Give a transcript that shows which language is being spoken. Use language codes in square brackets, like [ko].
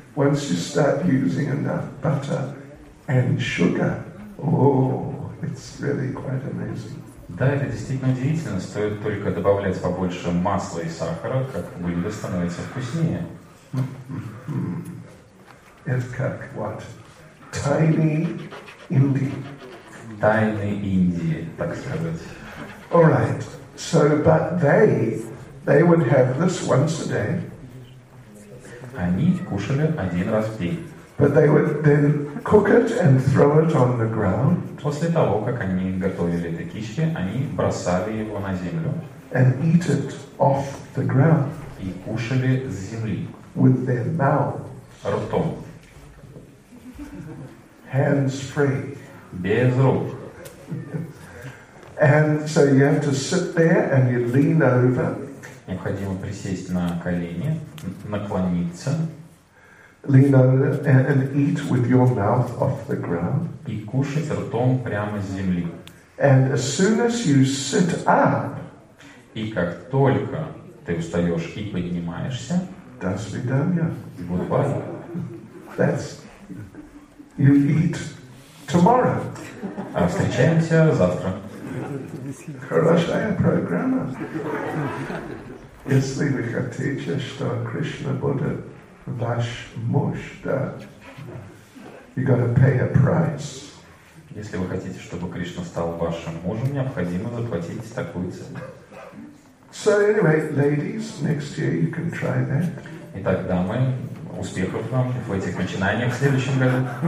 [en] Once you start using enough butter and sugar, oh, it's really quite amazing. [ru] Да, это действительно удивительно. Стоит только добавлять побольше масла и сахара, как блюдо становится вкуснее. [en] It's [ru] как [en] what? Tiny Indie. [ru] Тайны Индии, так сказать. [en] All right. So, but they would have this once a day. [ru] Они кушали один раз в день. [en] But they would then cook it and throw it on the ground. [ru] После того, как они готовили это кичи, они бросали его на землю. [en] And eat it off the ground. [ru] И кушали с земли. [en] With their mouth. [ru] Ртом. [en] Hands free. [ru] Без рук. [en] And so you have to sit there and you lean over. [ru] Необходимо присесть на колени, наклониться. [en] Lean over and eat with your mouth off the ground. [ru] И кушать ртом прямо с земли. [en] And as soon as you sit up. [ru] И как только ты устаешь и поднимаешься. До свидания. [en] Goodbye. That's you eat tomorrow. [ru] А встречаемся завтра. Хорошая программа. Если вы хотите, что Кришна будет ваш муж, да, [en] you gotta pay a price. [ru] Если вы хотите, чтобы Кришна стал вашим мужем, необходимо заплатить такую цену. [en] So anyway, ladies, next year you can try that. [ru] Итак, дамы, успехов вам в этих начинаниях в следующем году.